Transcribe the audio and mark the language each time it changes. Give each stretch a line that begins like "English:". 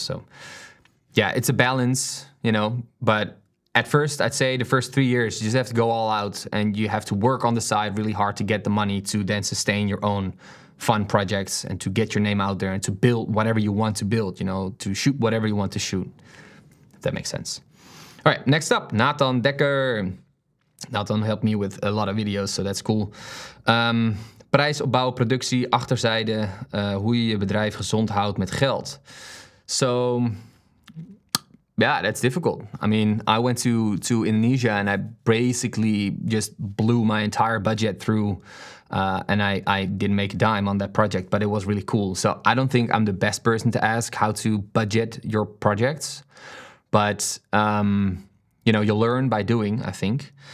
English: So yeah, it's a balance, you know, but at first, I'd say the first 3 years, you just have to go all out and you have to work on the side really hard to get the money to then sustain your own fun projects and to get your name out there and to build whatever you want to build, you know, to shoot whatever you want to shoot, if that makes sense. All right, next up, Nathan Dekker. Nathan helped me with a lot of videos, so that's cool.
Dutch: Prijsopbouw, productie, achterzijde, hoe je je bedrijf gezond houdt met geld.
English: So, yeah, that's difficult. I mean, I went to Indonesia and I basically just blew my entire budget through, and I didn't make a dime on that project, but it was really cool. So I don't think I'm the best person to ask how to budget your projects, but you know, you learn by doing, I think.